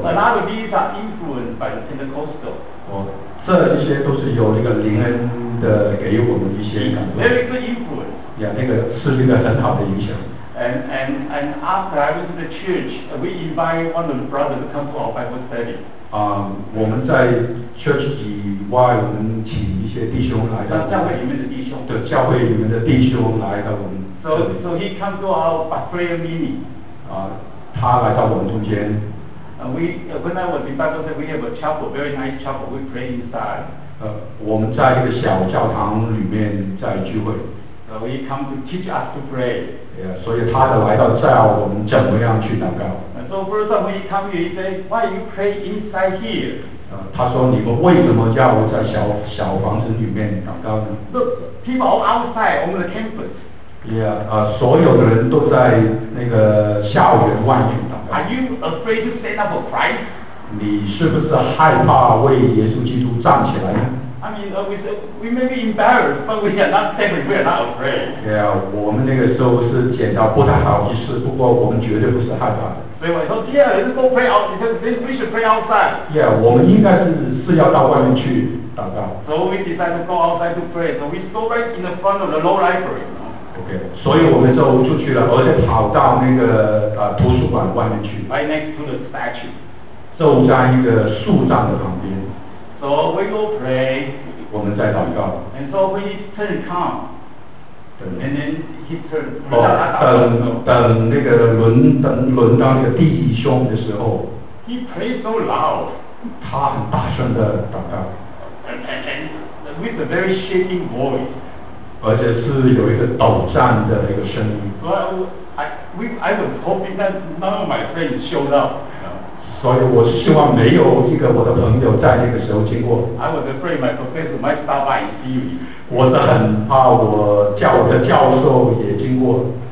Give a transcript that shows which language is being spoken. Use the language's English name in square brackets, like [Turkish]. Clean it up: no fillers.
[English] A lot of these are influenced by the Pentecostal. [Chinese] 这一些都是有那个灵恩的给我们一些感动。 [English] Very good influence. [Chinese] 那个是一个很好的影响。 [English] And after I went to the church, we invite one of the brothers to come to our Bible study. [Chinese] 我们在 church 以外，我们请一些弟兄来到教会里面的弟兄。对，教会里面的弟兄来到我们。 [English] So he comes to our prayer meeting. [Chinese] 他来到我们中间。 [English] When I was in Bible study, we have a chapel, very nice chapel. We pray inside. [Chinese] 我们在一个小教堂里面在聚会。 [English] So he comes to teach us to pray. [Chinese] Yeah, 所以他的来到教我们怎么样去祷告。 [English] So first of all, when he comes here, he says, "Why you pray inside here?" [Chinese] 他说你们为什么要在小房子里面祷告呢 [English] ？Look, people are outside on the campus. [Chinese] Yeah, 所有的人都在那个校园外面祷告。 [English] Are you afraid to stand up for Christ? [Chinese] 你是不是害怕为耶稣基督站起来呢？ [English] I mean, we may be embarrassed, but we are not timid. We are not afraid. [Chinese] Yeah, 我们那个时候是感到不太好意思，不过我们绝对不是害怕的。所以我说 [English] ，Yeah, let's go pray out. Then we should pray outside. [Chinese] Yeah, 我们应该是要到外面去祷告。 [English] So we decided to go outside to pray. So we go right in the front of the law library. You know? [Chinese] Okay, 所以我们就出去了，而且跑到那个图书馆外面去。 [English] Right next to the statue. [Chinese] 就在一个树葬的旁边。 [English] So we go pray. [Chinese] 我们在祷告。 [English] And so when his turn come, and then he turn. [Chinese] 等那个轮到那个第一兄的时候。 [English] He prayed so loud. [Chinese] 他很大声的祷告。 [English] And with a very shaking voice. [Chinese] 而且是有一个抖颤的一个声音。 [English] So I was hoping that none of my friends showed up. [Chinese] 所以我希望没有一个我的朋友在那个时候经过。 [English] I was afraid my professor might stop by and see me. [Chinese] 我是很怕我教的教授也经过。